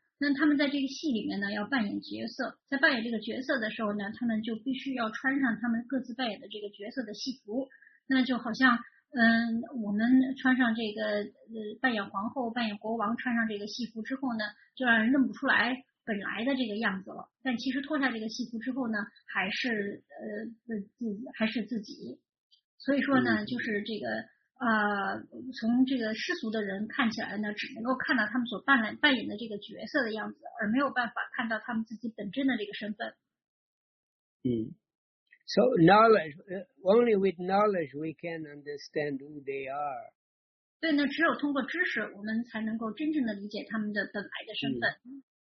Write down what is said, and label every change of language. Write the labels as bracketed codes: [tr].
[zh] 那他们在这个戏里面呢要扮演角色，在扮演这个角色的时候呢，他们就必须要穿上他们各自扮演的这个角色的戏服，那就好像我们穿上这个扮演皇后扮演国王穿上这个戏服之后呢，就让人认不出来本来的这个样子了，但其实脱下这个戏服之后呢还是自己。所以说呢就是这个从这个世俗的人看起来呢只能够看到他们所扮演的这个角色的样子，而没有办法看到他们自己本真的这个身份。嗯。 [en] So knowledge, only with knowledge we can understand who they are. [zh] 对呢，只有通过知识，我们才能够真正的理解他们的本来的身份。